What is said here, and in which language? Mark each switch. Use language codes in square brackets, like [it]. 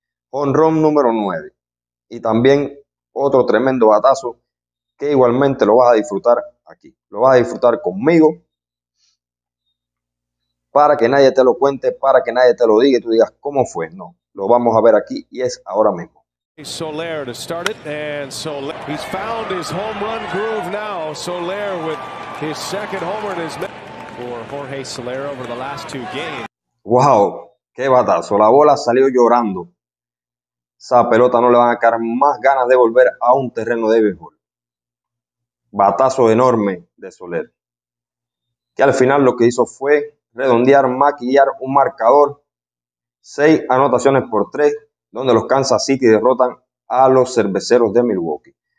[es] Jonrón número 9 y también otro tremendo batazo que igualmente lo vas a disfrutar aquí. Lo vas a disfrutar conmigo para que nadie te lo cuente, para que nadie te lo diga y tú digas cómo fue. No, lo vamos a ver aquí y es ahora mismo. [en] Soler to start it, and Soler, he's found his home run groove now. Soler with his second homer in his for Jorge Soler over the last two games. [es] Wow, qué batazo. La bola salió llorando. Esa pelota no le van a caer más ganas de volver a un terreno de béisbol. Batazo enorme de Soler. Que al final lo que hizo fue redondear, maquillar un marcador. 6-3, donde los Kansas City derrotan a los cerveceros de Milwaukee.